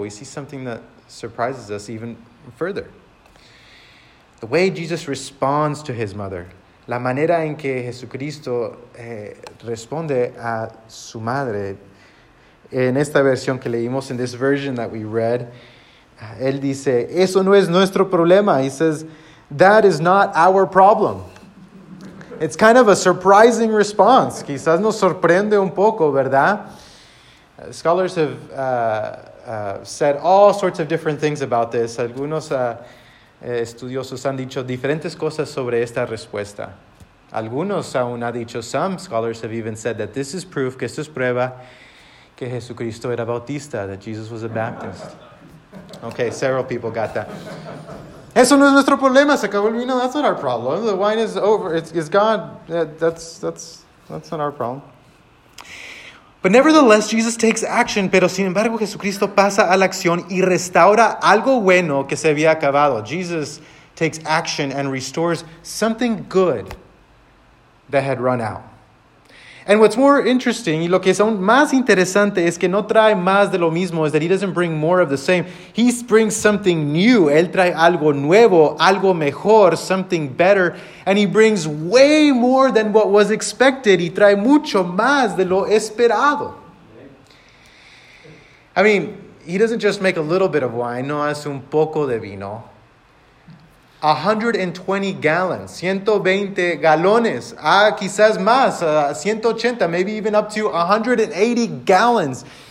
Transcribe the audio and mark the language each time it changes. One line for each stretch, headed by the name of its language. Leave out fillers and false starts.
English: We see something that surprises us even further. The way Jesus responds to his mother.
Spanish: La manera en que Jesucristo responde a su madre. En esta versión que leímos,
English: in this version that we read,
Spanish: él dice, eso no es nuestro problema.
English: He says, that is not our problem. It's kind of a surprising response.
Spanish: Quizás nos sorprende un poco, ¿verdad?
English: Scholars have said all sorts of different things about this.
Spanish: Algunos estudiosos han dicho diferentes cosas sobre esta respuesta. Algunos aún han dicho,
English: some scholars have even said that this is proof,
Spanish: que esto es prueba, que Jesucristo era bautista,
English: that Jesus was a Baptist. Okay, several people got that.
Spanish: Eso no es nuestro problema, se acabó el vino,
English: that's not our problem. The wine is over, it's gone. That's not our problem. But nevertheless, Jesus takes action,
Spanish: pero sin embargo, Jesucristo pasa a la acción y restaura algo bueno que se había acabado.
English: Jesus takes action and restores something good that had run out. And what's more interesting,
Spanish: y lo que es aún más interesante, es que no trae más de lo mismo,
English: is that he doesn't bring more of the same. He brings something new.
Spanish: Él trae algo nuevo, algo mejor,
English: something better. And he brings way more than what was expected.
Spanish: Y trae mucho más de lo esperado.
English: I mean, he doesn't just make a little bit of wine.
Spanish: No, hace un poco de vino.
English: 120 gallons, 120
Spanish: galones, quizás más,
English: 180, maybe even up to 180 gallons.